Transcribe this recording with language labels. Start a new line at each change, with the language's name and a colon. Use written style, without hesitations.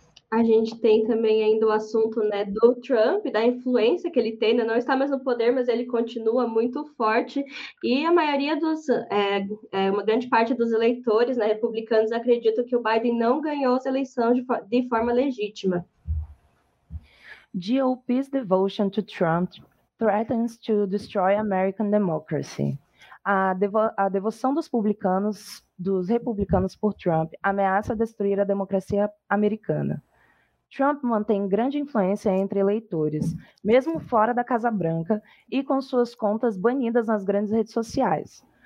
Portuguese: A gente tem também ainda o assunto, né, do Trump, da influência que ele tem, né? Não está mais no poder, mas ele continua muito forte. E a maioria dos, uma grande parte dos eleitores, né, republicanos, acreditam que o Biden não ganhou as eleições de forma legítima.
English: GOP's devotion to Trump threatens to destroy American democracy.
Portuguese: A devoção dos republicanos por Trump ameaça destruir a democracia americana. Trump mantém grande influência entre eleitores, mesmo fora da Casa Branca, e com suas contas banidas nas grandes redes sociais.